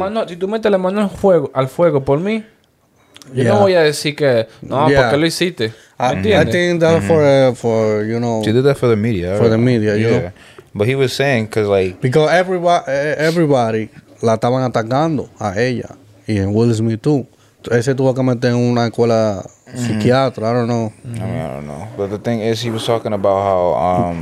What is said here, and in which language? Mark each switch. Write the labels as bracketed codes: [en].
[es] Si tú metes la mano al fuego por mí. Yo no voy a decir que no, porque lo hiciste. [en] I think that for you know. She did that for the media. For the media, you know. But he was saying because like because everybody [es] la estaban atacando a ella y en Will Smith too. Ese tuvo que meter en una escuela psiquiatra. [en] I don't know. Mm-hmm. I mean, I don't know. But the thing is, he was talking about how